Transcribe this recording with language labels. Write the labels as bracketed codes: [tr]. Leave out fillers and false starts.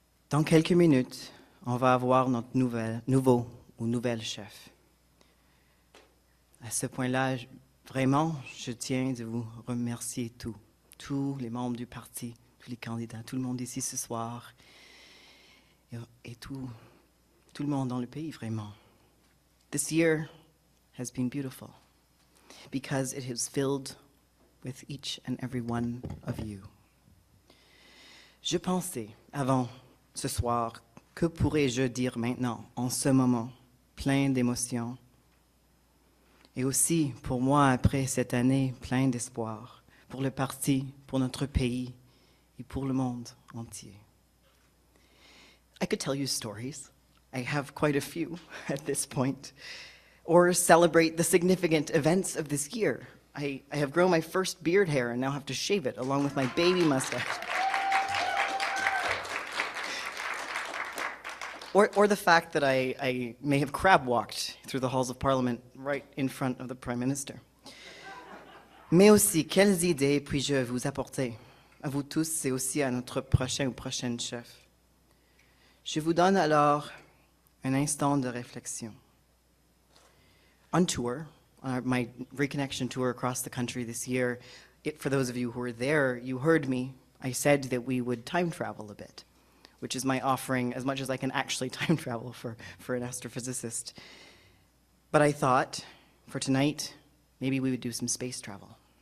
[fr] Dans quelques minutes, on va avoir notre nouvelle chef. À ce point-là, vraiment, je tiens de vous remercier tous les membres du parti, tous les candidats, tout le monde ici ce soir, et tout le monde dans le pays, vraiment. [en] This year has been beautiful because it has filled with each and every one of you. [fr] Je pensais, avant ce soir, que pourrais-je dire maintenant, en ce moment, plein d'émotions, et aussi, pour moi, après cette année, plein d'espoir, pour le parti, pour notre pays, et pour le monde entier. [en] I could tell you stories. I have quite a few at this point. Or celebrate the significant events of this year. I have grown my first beard hair and now have to shave it, along with my baby mustache. Or the fact that I may have crab-walked through the halls of Parliament right in front of the Prime Minister. [fr] Mais aussi, quelles idées puis-je vous apporter? À vous tous et aussi à notre prochain ou prochaine chef. Je vous donne alors un instant de réflexion. [en] On tour, my reconnection tour across the country this year, for those of you who were there, you heard me. I said that we would time travel a bit, which is my offering, as much as I can actually time travel for an astrophysicist. But I thought, for tonight, maybe we would do some space travel.